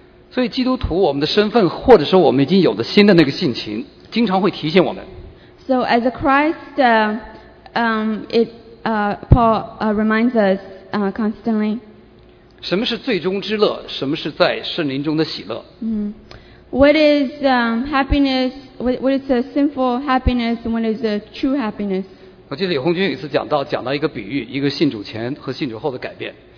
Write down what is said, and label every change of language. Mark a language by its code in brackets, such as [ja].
[zh] 所以基督徒，我们的身份，或者说我们已经有的新的那个性情，经常会提醒我们。 [en] So as a Christ, Paul reminds us constantly. [zh] 什么是最终之乐？什么是在圣灵中的喜乐？ [en] What is happiness? What is a sinful happiness? What is a true happiness? [zh] 我记得李红军有一次讲到一个比喻，一个信主前和信主后的改变。